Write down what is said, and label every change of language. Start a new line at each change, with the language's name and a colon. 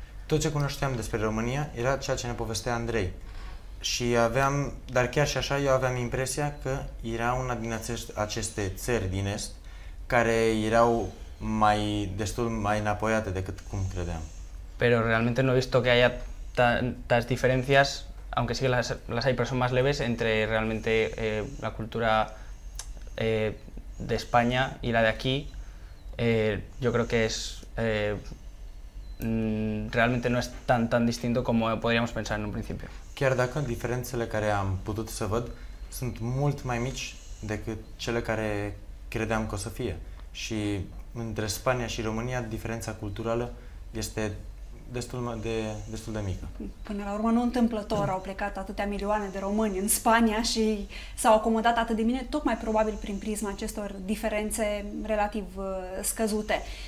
Romanian: Tot ce cunoșteam despre România era ceea ce ne povestea Andrei. Și aveam, dar chiar și așa, eu aveam impresia că era una din aceste țări din Est care erau mai destul mai înapoiate decât cum credeam.
Spanish: Pero realmente no he visto que haya tantas diferencias, aunque sí que las hay, pero son más leves, entre realmente la cultura de España y la de aquí. Yo creo que es... realmente no es tan distinto como podríamos pensar en un principio.
Romanian: Chiar dacă diferențele care am putut să văd sunt mult mai mici decât cele care credeam că o să fie. Și între Spania și România diferența culturală este destul de mică. Până la urmă, nu întâmplător au plecat atâtea milioane de români în Spania și s-au acomodat atât de bine, tocmai probabil prin prisma acestor diferențe relativ scăzute.